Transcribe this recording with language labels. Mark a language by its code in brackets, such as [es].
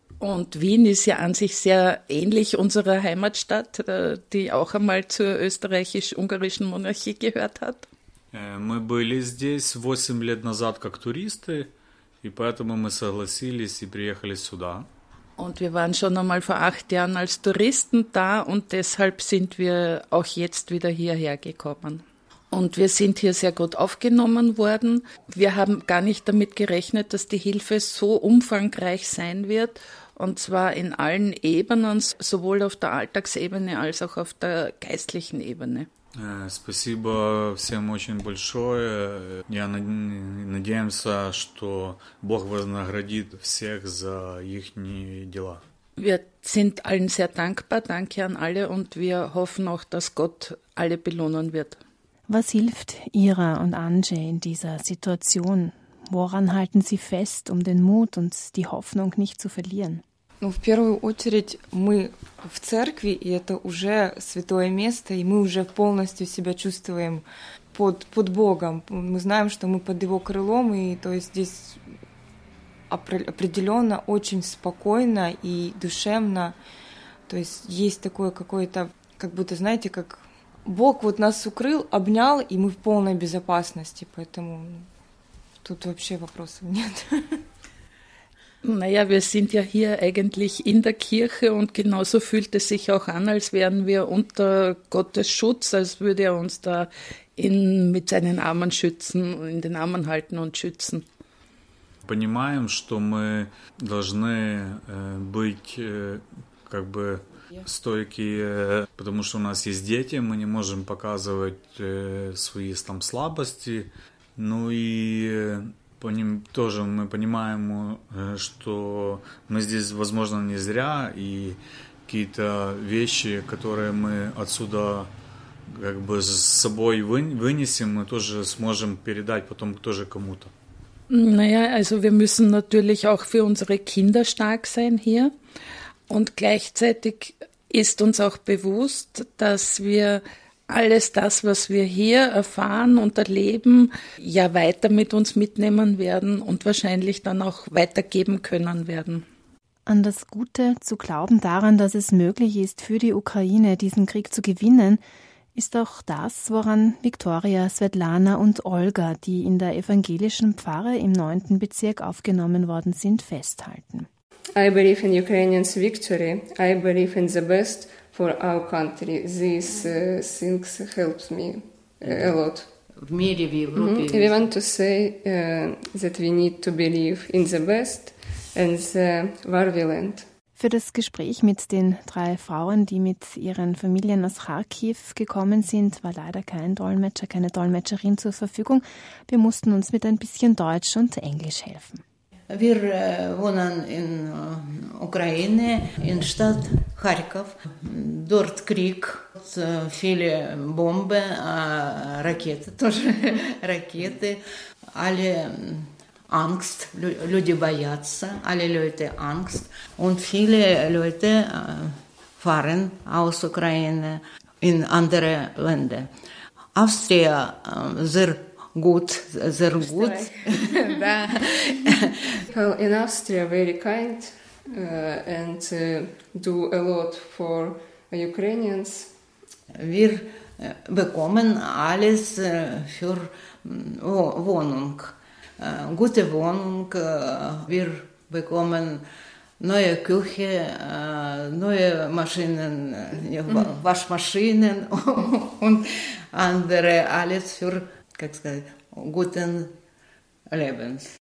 [de] Und Wien ist ja an sich sehr ähnlich unserer Heimatstadt, die auch einmal zur österreichisch-ungarischen Monarchie gehört hat. [ru] Мы были здесь 8 лет назад как туристы, и поэтому мы согласились и приехали сюда. [de] Und wir waren schon einmal vor 8 Jahren als Touristen da und deshalb sind wir auch jetzt wieder hierher gekommen. Und wir sind hier sehr gut aufgenommen worden. Wir haben gar nicht damit gerechnet, dass die Hilfe so umfangreich sein wird. Und zwar in allen Ebenen, sowohl auf der Alltagsebene als auch auf der geistlichen Ebene. [ru] Спасибо всем очень большое. Я надеемся, что Бог вознаградит всех за ихние дела. [de] Wir sind allen sehr dankbar. Danke an alle. Und wir hoffen auch, dass Gott alle belohnen wird. Was hilft Ira und Anje in dieser Situation? Woran halten sie fest, um den Mut und die Hoffnung nicht zu verlieren? [ru] В первую очередь мы в церкви, и это уже святое место, и мы уже полностью себя чувствуем под Богом. Мы знаем, что мы под Его крылом, и то есть здесь определенно очень спокойно и душевно. То есть есть такое какое-то, как будто, знаете, как Бог вот нас укрыл, обнял, и мы в полной безопасности, поэтому тут вообще вопросов нет. [de] Naja, wir sind ja hier eigentlich in der Kirche und genauso fühlt es sich auch an, als wären wir unter Gottes Schutz, als würde er uns da mit seinen Armen schützen, in den Armen halten und schützen. [ru] Понимаем, что мы должны быть как бы стойкие, потому что у нас есть дети, мы не можем показывать свои там слабости. Ну и по ним тоже мы понимаем, что мы здесь, возможно, не зря, и какие-то вещи, которые мы отсюда как бы с собой вынесем, мы тоже сможем передать потом тоже кому-то. [de] Naja, also wir müssen natürlich auch für unsere Kinder stark sein hier. Und gleichzeitig ist uns auch bewusst, dass wir alles das, was wir hier erfahren und erleben, ja weiter mit uns mitnehmen werden und wahrscheinlich dann auch weitergeben können werden. An das Gute zu glauben daran, dass es möglich ist, für die Ukraine diesen Krieg zu gewinnen, ist auch das, woran Viktoria, Svetlana und Olga, die in der evangelischen Pfarre im 9. Bezirk aufgenommen worden sind, festhalten. [en] I believe in Ukrainians' victory. I believe in the best for our country. These things help me a lot. We want to say that we need to believe in the best and the war will end. [de] Für das Gespräch mit den drei Frauen, die mit ihren Familien aus Kharkiv gekommen sind, war leider kein Dolmetscher, keine Dolmetscherin zur Verfügung. Wir mussten uns mit ein bisschen Deutsch und Englisch helfen. Wir wohnen in Ukraine, in Stadt Kharkiv. Dort Krieg, viele Bomben, Raketen, alle Angst, [ru] люди боятся, [de] alle Leute Angst. Und viele Leute fahren aus Ukraine in andere Länder. Austria, sehr gut, sehr gut. [en] Well, in Austria, very kind and do a lot for Ukrainians. [de] Wir bekommen alles für Wohnung. Gute Wohnung, wir bekommen neue Küche, neue Maschinen, Waschmaschinen und andere, alles für guten Leben.